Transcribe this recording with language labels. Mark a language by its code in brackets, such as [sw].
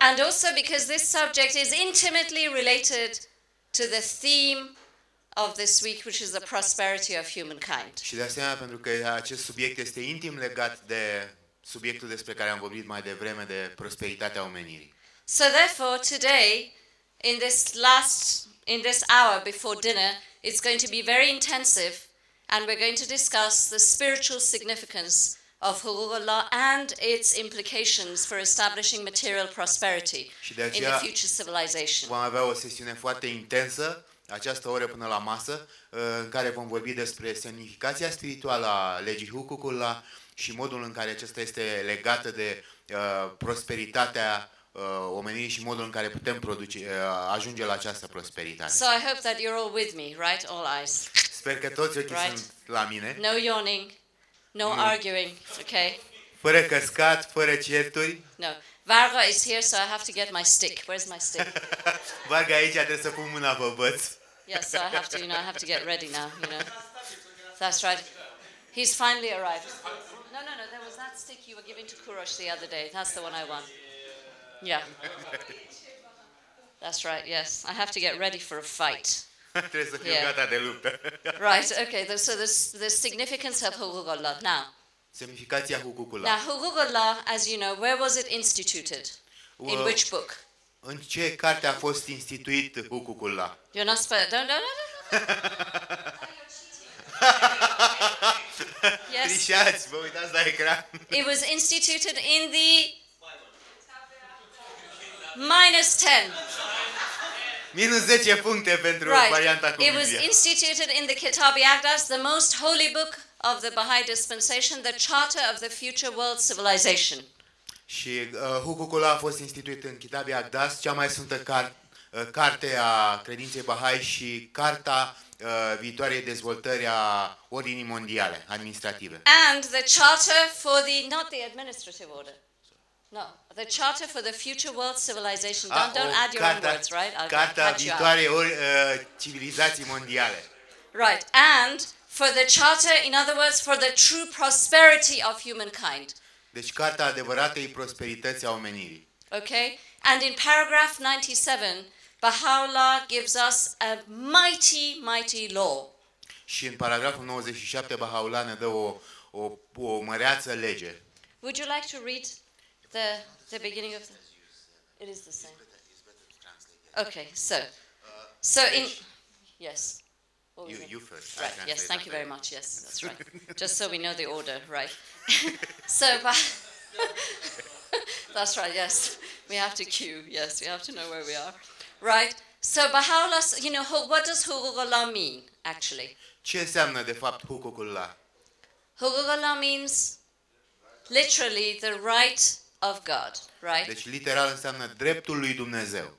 [en] And also because this subject is intimately related to the theme of this week, which is the prosperity of humankind. [ro] Și de asemenea pentru că acest subiect este intim legat de subiectul despre care am vorbit mai devreme, de prosperitatea omenirii. [en] So therefore today in this hour before dinner it's going to be very intensive and we're going to discuss the spiritual significance of Hulagullah and its implications for establishing material prosperity in the future civilization. [ro] Vom avea o sesiune foarte intensă această oră până la masă în care vom vorbi despre semnificația spirituală a legii Hulagullah și modul în care aceasta este legată de prosperitatea omenirii și modul în care putem produce ajunge la această prosperitate. [en] So I hope that you're all with me, right? All eyes. [ro] Sper că toți ochii sunt la mine. [en] No yawning. No arguing. Okay. [ro] Fără căscat, fără certuri. [en] No. Varga is here so I have to get my stick. Where's my stick? [ro] Varga aici, trebuie să pun mâna pe băț. [en] Yes, so I have to get ready now, you know. That's right. He's finally arrived. No, there was that stick you were giving to Kurosh the other day. That's the one I want. Yeah. That's right, yes. I have to get ready for a fight. [ro] Trebuie să fiu gata de luptă. [en] Right, okay. So the significance of Hulagullah now. [ro] Semnificația Hulagullah. [en] Now, Hulagullah, as you know, where was it instituted? In which book? [ro] În ce carte a fost instituit Hulagullah? [en] You're not supposed... No. Yes. [ro] Trișați, vă uitați la ecran. [en] It was instituted in the... Minus 10. [ro] Minus 10 puncte pentru varianta cu Biblia. [en] It was instituted in the Kitab-i Aqdas, the most holy book of the Baha'i dispensation, the charter of the future world civilization. [ro] Și Hulagullah a fost instituit în Kitab-i Aqdas, cea mai sfântă carte a credinței Baha'i și carta viitoarei dezvoltări a ordinii mondiale, administrative. [en] And the charter for the, not the administrative order. No, the charter for the future world civilization. Don't add your own words, right? [ro] I'll carta viitoare civilizații mondiale. [en] Right, and for the charter, in other words, for the true prosperity of humankind. [ro] Deci carta adevăratei prosperității a omenirii. [en] Okay, and in paragraph 97, Baha'u'llah gives us a mighty, mighty law. [ro] și în paragraful 97 Baha'u'llah ne dă o măreață lege. [en] Would you like to read the beginning of the... It is the same. Okay, so in... Yes. You first. Right, yes, thank you very much. Yes, that's right. Just so we know the order, right. So, but... That's right, yes. We have to queue, yes. We have to know where we are. Right. So, Baha'u'llah, you know, what does Hukuk Allah mean, actually? [ro] Ce înseamnă, de fapt, Hukuk Allah? [en] Hukuk Allah means, literally, the right of God, right? [ro] Deci, literal, înseamnă dreptul lui Dumnezeu.